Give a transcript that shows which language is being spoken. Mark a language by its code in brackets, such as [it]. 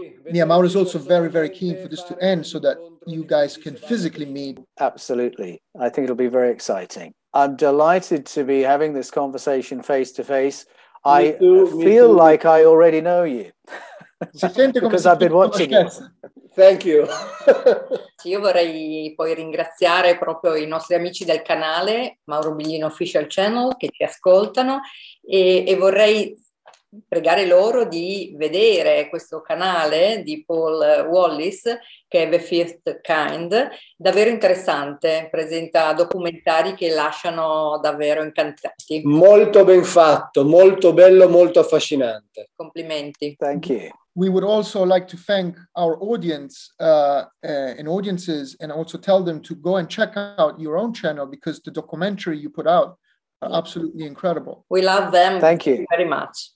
[en] Yeah, Mauro is also very, very keen for this to end so that you guys can physically meet. Absolutely. I think it'll be very exciting. I'm delighted to be having this conversation face to face. I feel like I already know you because I've been watching you. Thank you. [it] Io vorrei poi ringraziare proprio i nostri amici del canale Mauro Biglino Official Channel che ci ascoltano e vorrei pregare loro di vedere questo canale di Paul Wallis che è The First Kind, davvero interessante, presenta documentari che lasciano davvero incantati. Molto ben fatto, molto bello, molto affascinante. Complimenti. [en] Thank you. We would also like to thank our audience and audiences and also tell them to go and check out your own channel because the documentary you put out are absolutely incredible. We love them. Thank you very much.